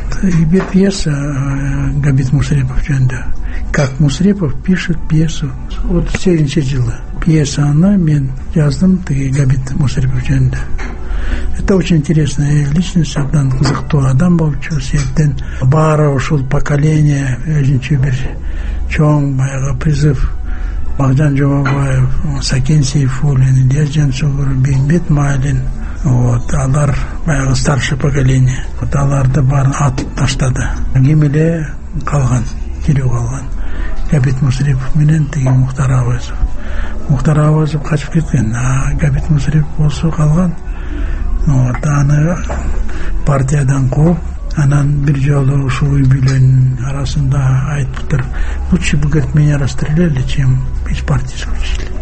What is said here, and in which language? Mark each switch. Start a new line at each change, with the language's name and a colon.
Kyrgyz: И бир пьеса Габит Мусрепов жөнүндө.
Russian: Как Мусрепов пишет пьесу.
Kyrgyz: Вот 7-й жылы пьеса она, мен жаздым теги Габит Мусрепов жөнүндө.
Russian: Это очень интересная личность,
Kyrgyz: одан кызыктуу адам болчу, себептен баары ушул поколение өзүнчө бир чоң баягы призыв. Магдан Жумабаев, Сакен Сейфуллин, Ильяс Жансугур, Бейнбет Майлин. Вот, алар баягы
Russian: старший поколение.
Kyrgyz: Вот аларды баарын атып таштады. Ким эле калган, тирүү калган. Габит Мусрепов менен тиги Мухтар Авазов. Мухтар Авазов качып кеткен, а Габит Мусрепов болсо калган. Ну, вот аны партиядан кууп, анан бир жолу ушул үй бүлөнүн арасында айтыптыр.
Russian: Лучше бы, говорит, меня расстреляли, чем из партии исключили.